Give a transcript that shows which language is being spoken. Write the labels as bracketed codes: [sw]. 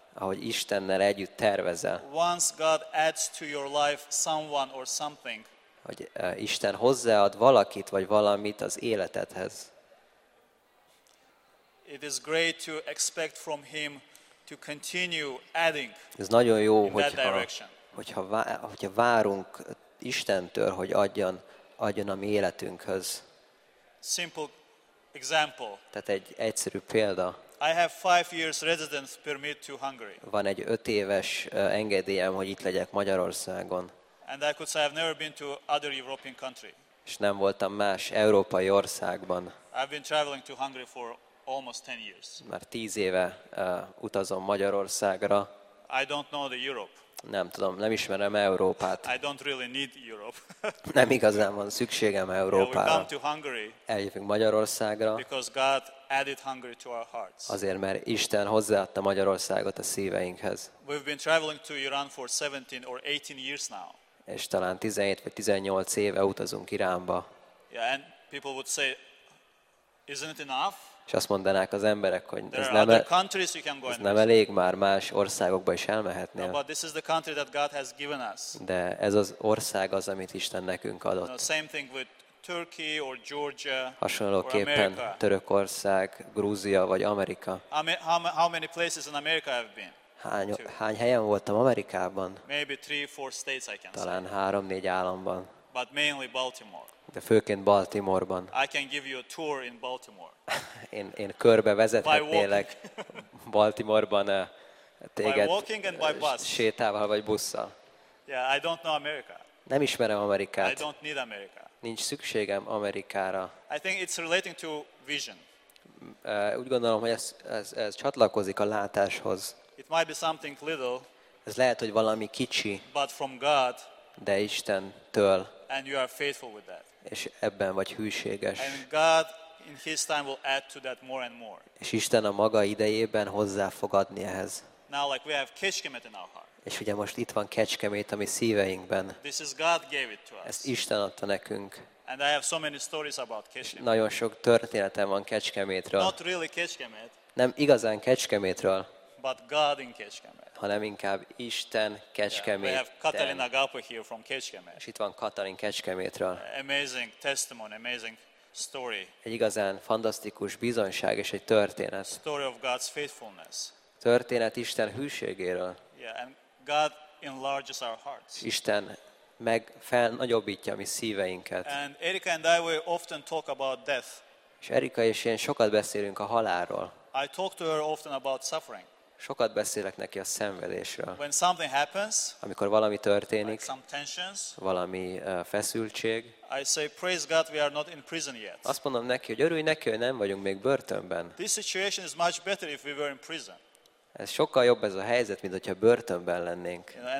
[hu] Ahogy Istennel együtt tervezel. [en] Once God adds to your life someone or something. [hu] Hogy Isten hozzáad valakit vagy valamit az életedhez. [en] It is great to expect from him to continue adding. [hu] Ez nagyon jó, hogyha várunk Istentől, hogy adjon a mi életünkhöz. [en] Simple example. [hu] Tehát egy egyszerű példa. [en] I have 5 years residence permit to Hungary. [hu] Van egy 5 éves engedélyem, hogy itt legyek Magyarországon. [en] And I could say I've never been to other European country. [hu] És nem voltam más európai országban. [en] I've been traveling to Hungary for almost 10 years. [hu] Már 10 éve utazom Magyarországra. [en] I don't know the Europe. [hu] Nem tudom, nem ismerem Európát. [en] I don't really need Europe. [hu] Nem igazán van szükségem Európára. [en] Yeah, we come to Hungary. [hu] Eljövünk Magyarországra. [en] Because God added Hungary to our hearts. [hu] Azért, mert Isten hozzáadta Magyarországot a szíveinkhez. [en] We've been traveling to Iran for 17 or 18 years now. [hu] És talán 17 vagy 18 éve utazunk Iránba. [en] Yeah, and people would say, isn't it enough? [hu] És azt mondanák az emberek, hogy ez nem elég, már más országokba is elmehetnél. [en] No, but this is the country that God has given us. [hu] De ez az ország az, amit Isten nekünk adott. [en] No, same thing with Turkey or Georgia. [hu] Hasonlóképpen Törökország, Grúzia vagy Amerika. [en] How many places in America I've been? [hu] Hány helyen voltam Amerikában? [en] Maybe 3-4 states I can. [hu] Talán 3-4 államban. [en] But mainly Baltimore. [hu] De főként Baltimore-ban. [en] I can give you a tour in Baltimore. [hu] Én körbe vezethetnélek Baltimore-ban téged. [en] By walking and by bus. [hu] Sétával vagy busszal. [en] Yeah, I don't know America. [hu] Nem ismerem Amerikát. [en] I don't need America. [hu] Nincs szükségem Amerikára. [en] I think it's relating to vision. [hu] Úgy gondolom, hogy ez csatlakozik a látáshoz. [en] It might be something little. [hu] Ez lehet, hogy valami kicsi. [en] But from God. [hu] De Istentől. [en] And you are faithful with that. [hu] És ebben vagy hűséges. [en] And God in his time will add to that more and more. [hu] És Isten a maga idejében hozzá fog adni ehhez. [en] Now like we have Kecskemét in our heart. [hu] És ugye most itt van Kecskemét a mi szíveinkben. [en] This is God gave it to us. [hu] Ezt Isten adta nekünk. [en] And I have so many stories about Kecskemét. [hu] Nagyon sok történetem van Kecskemétről. [en] Not really Kecskemét. [hu] Nem igazán Kecskemétről. [en] But God in Kecskemét. [hu] Hanem inkább Isten Kecskemét. [en] Yeah, we have Katalin Agapo here from Kecskemét. [hu] És itt van Katalin Kecskemétről. [en] Amazing testimony, amazing story. [hu] Egy igazán fantasztikus bizonyság és egy történet. [en] Story of God's faithfulness. [hu] Történet Isten hűségéről. [en] Yeah, and God enlarges our hearts. [hu] Isten meg felnagyobbítja mi szíveinket. [en] And Erika and I, we often talk about death. [hu] És Erika és én sokat beszélünk a halálról. [en] I talk to her often about suffering. [hu] Sokat beszélek neki a szenvedésről. [en] When something happens, [hu] amikor valami történik, [en] like some tensions, [hu] valami feszültség, [en] I say, praise God, we are not in prison yet. [hu] Azt mondom neki, hogy örülj neki, hogy nem vagyunk még börtönben. [en] This situation is much better if we were in prison. [hu] Ez sokkal jobb ez a helyzet, mint hogyha börtönben lennénk.